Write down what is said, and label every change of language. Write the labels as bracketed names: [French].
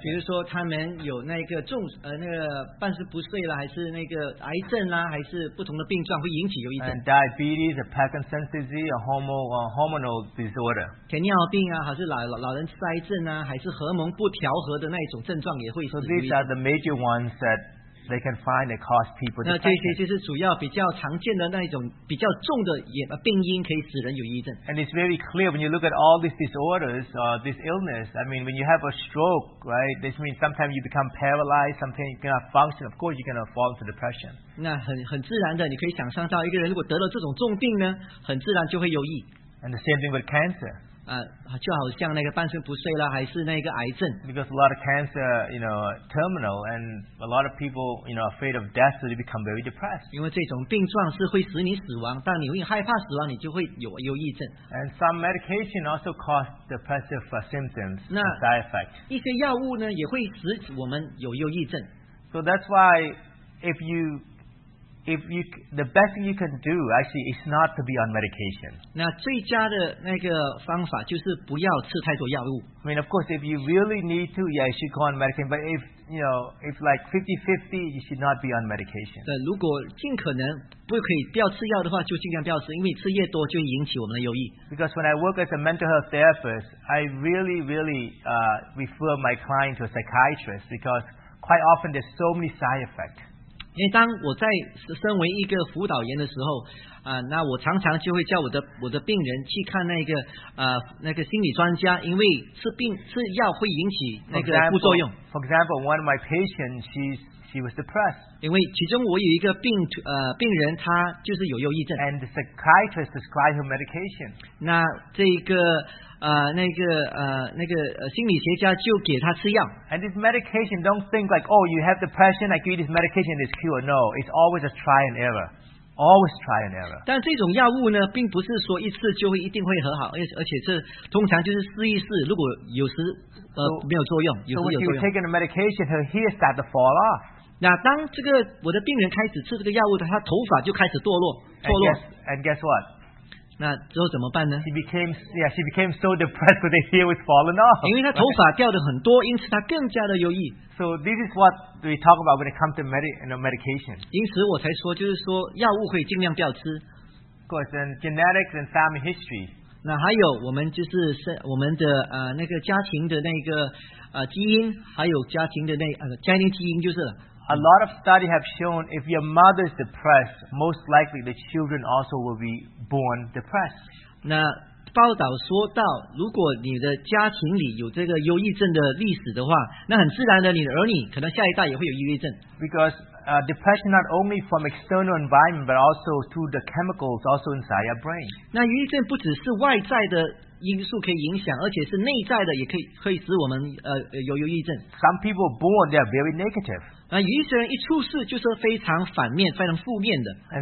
[Chinese] 比如说他们有那个重那个半身不遂了，还是那个癌症啦，还是不同的病状会引起忧郁症。 [English] And diabetes, a Parkinson's disease, a hormonal disorder. [Chinese] 糖尿病啊，还是老人痴呆症啊，还是荷尔蒙不调和的那一种症状也会。 [English] So these are the major ones that they can find that cause people depression. [Chinese] 那这些就是主要比较常见的那一种比较重的病因可以使人有忧郁症。 [English] And it's very clear when you look at all these disorders or this illness. I mean, when you have a stroke, right? This means sometimes you become paralyzed, sometimes you cannot function. Of course, you're going to fall into depression. [Chinese] 那很自然的，你可以想象到一个人如果得了这种重病呢，很自然就会忧郁。 [English] And the same thing with cancer. [Chinese] 就好像那个半身不遂了，还是那个癌症。 [English] Because a lot of cancer, terminal, and a lot of people, afraid of death, so they become very depressed. [Chinese] 因为这种病状是会使你死亡，但你会害怕死亡，你就会有忧郁症。 [English] And some medication also cause depressive symptoms and side effects. [Chinese] 一些药物呢，也会使我们有忧郁症。 [English] So that's why if you if you, the best thing you can do actually is not to be on medication. [Chinese] 那最佳的那个方法就是不要吃太多药物。 [English] I mean, of course, if you really need to, yeah, you should go on medication. But if, you know, if like 50-50, you should not be on medication. [Chinese] 对，如果尽可能不可以不要吃药的话，就尽量不要吃，因为吃越多就会引起我们的忧郁。 [English] Because when I work as a mental health therapist, I really, really refer my client to a psychiatrist because quite often there's so many side effects. [Chinese] 因为当我在身为一个辅导员的时候，那我常常就会叫我的病人去看那个心理专家，因为吃药会引起那个副作用。 [English] For example, one of my patients, she was depressed. [Chinese] 因为其中我有一个病人，他就是有忧郁症。 [English] And the psychiatrist prescribed her medication. [Chinese] 那这一个心理学家就给他吃药。 [English] And this medication, don't think like, oh, you have depression, I give you this medication, it's cure. No, it's always a try and error. Always try and error. [Chinese] 但这种药物呢，并不是说一次就会一定会和好，而且是通常就是试一试，如果有时没有作用，有时有作用。 [English] So when she was taking the medication, her hair started to fall off. [Chinese] 那当这个我的病人开始吃这个药物的，他头发就开始脱落。 [English] And guess what? [Chinese] 那之后怎么办呢？ [English] She became so depressed that her hair was falling off. [Chinese] 因为她头发掉的很多，因此她更加的忧郁。 [English] So this is what we talk about when it comes to medication. [Chinese] 因此我才说，就是说药物会尽量不要吃。 [English] Of course, and genetics and family history. [Chinese] 那还有我们就是我们的那个家庭的那个基因，还有家庭的那家庭基因就是。 [English] A lot of studies have shown if your mother is depressed, most likely the children also will be born depressed. [Chinese] 那报道说到，如果你的家庭里有这个忧郁症的历史的话，那很自然的，你的儿女可能下一代也会有忧郁症。 [English] Because depression not only from external environment, but also through the chemicals also inside your brain. [Chinese] 那忧郁症不只是外在的因素可以影响，而且是内在的也可以使我们有忧郁症。 [English] Some people born they are very negative. [Chinese] 有一些人一出世就是非常反面、非常负面的。